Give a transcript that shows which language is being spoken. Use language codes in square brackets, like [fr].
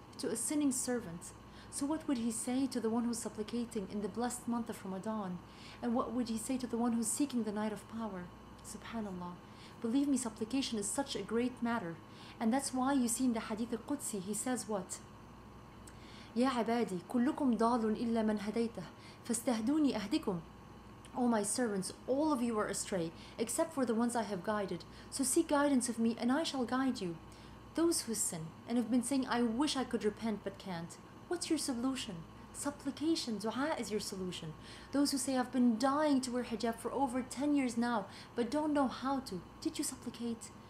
[en] To a sinning servant. So what would he say to the one who's supplicating in the blessed month of Ramadan? And what would he say to the one who's seeking the night of power? Subhanallah. Believe me, supplication is such a great matter. And that's why you see in the hadith al-Qudsi, he says what? [ar] يا عبادي كلكم ضال إلا من هديته فاستهدوني أهدكم. [en] O my servants, all of you are astray except for the ones I have guided. So seek guidance of me and I shall guide you. Those who sin and have been saying, I wish I could repent but can't. What's your solution? Supplication, dua is your solution. Those who say, I've been dying to wear hijab for over 10 years now but don't know how to. Did you supplicate?